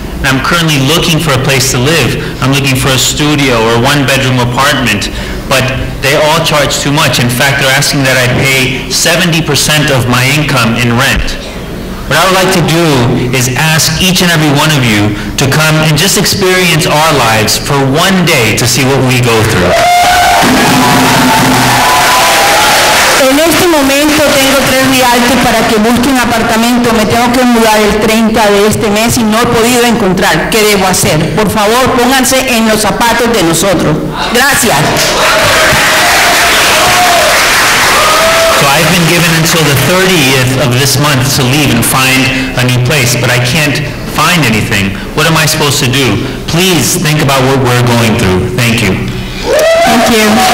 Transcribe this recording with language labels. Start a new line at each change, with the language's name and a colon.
English: And I'm currently looking for a place to live. I'm looking for a studio or a one-bedroom apartment, but they all charge too much. In fact, they're asking that I pay 70% of my income in rent. What I would like to do is ask each and every one of you to come and just experience our lives for one day to see what we go through.
Spanish: En este momento tengo tres realtors para que busque un apartamento. Me tengo que mudar el 30 de este mes y no he podido encontrar. ¿Qué debo hacer? Por favor, pónganse en los zapatos de nosotros. Gracias.
English: So I've been given until the 30th of this month to leave and find a new place, but I can't find anything. What am I supposed to do? Please think about what we're going through. Thank you. Thank you.